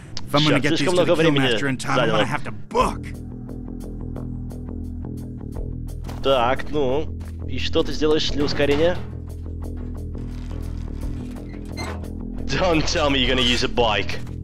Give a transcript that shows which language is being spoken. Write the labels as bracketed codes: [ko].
[en] If I'm gonna get these to the Killmaster in time, I'm gonna have to book. [ru] Так, ну, и что ты сделаешь для ускорения? [en] Don't tell me you're gonna use a bike.